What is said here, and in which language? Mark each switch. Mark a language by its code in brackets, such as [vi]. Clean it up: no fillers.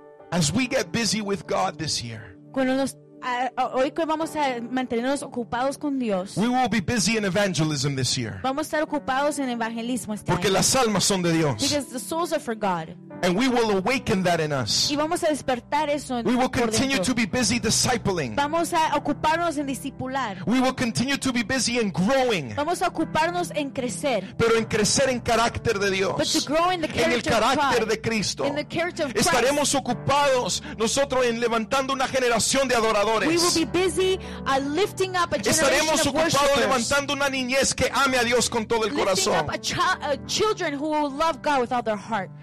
[en] As we get busy with God this year, [es] hoy que vamos a mantenernos ocupados con Dios, [en] we will be busy in evangelism this year. [es] Vamos a estar ocupados en evangelismo este año. Porque las almas son de Dios. [en] Because the souls are for God. And we will awaken that in us. [es] Y vamos a despertar eso en [en] we will continue to be busy discipling. [es] Vamos a ocuparnos en discipular. [en] We will continue to be busy in growing. [es] Vamos a ocuparnos en crecer. Pero en crecer en carácter de Dios. [en] But to grow in the character, [es] en el carácter [en] of Christ, [es] de Cristo. [en] In the character of Christ. [es] Estaremos ocupados nosotros en levantando una generación de adoradores. [en] We will be busy lifting up a generation [es] estaremos [en] of [es] ocupados [en] worshipers. [es] Levantando una niñez que ame a Dios con todo el [en] lifting [es] corazón. [en] Up a children who will love God with all their heart.